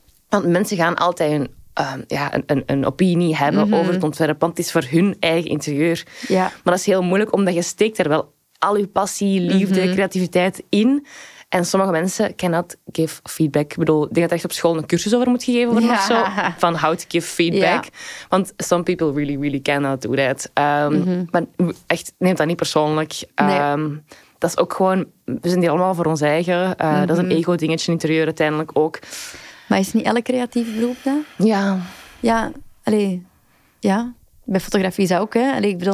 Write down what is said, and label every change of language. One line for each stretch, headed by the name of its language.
Dutch: Want mensen gaan altijd een opinie hebben over het ontwerp. Want het is voor hun eigen interieur. Ja. Maar dat is heel moeilijk, omdat je steekt er wel al je passie, liefde, creativiteit in. En sommige mensen cannot give feedback. Ik bedoel, ik denk dat je echt op school een cursus over moet gegeven worden of zo.
English: Van how to give feedback. Ja. Want some people really, really cannot do that.
Dutch: Maar echt, neem dat niet persoonlijk. Dat is ook gewoon... We zijn hier allemaal voor ons eigen. Dat is een ego-dingetje in interieur uiteindelijk ook. Maar is niet elk creatief beroep dan? Ja. Ja, allee. Ja. Bij fotografie zou ook, hè? Allee, ik bedoel,